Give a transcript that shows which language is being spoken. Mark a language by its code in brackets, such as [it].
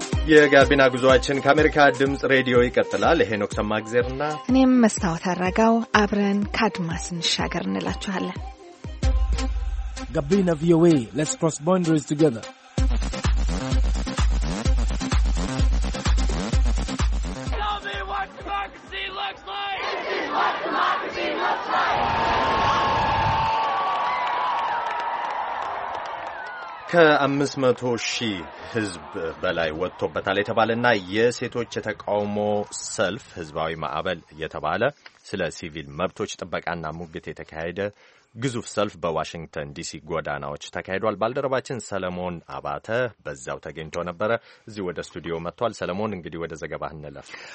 [am] የጋቢና ጉዞአችን ከአሜሪካ ድምጽ ሬዲዮ ይቀጥላል። ሄኖክ ሰማግዜርና እኔም መስታወት አረጋው አብረን ካድማስ እንሻገር እንላችኋለን። [en] Gabina VOA, let's cross boundaries together. Tell me what democracy looks like! This is what democracy looks like! [am] ከ500 ሺህ ህዝብ በላይ ወጥቶበታል የተባለና የሴቶች የተቃውሞ ሰልፍ ህዝባዊ ማዕበል የተባለ ስለ ሲቪል መብቶች ጥበቃና ሙግት የተካሄደ ግዙፍ ሰልፍ በዋሽንግተን ዲሲ ጎዳናዎች ተካሂዷል። ባልደረባችን ሰለሞን አባተ በዛው ተገኝቶ ነበረ። እዚህ ወደ ስቱዲዮ መጥቷል። ሰለሞን እንግዲህ ወደ ዘገባህ እንለፍ።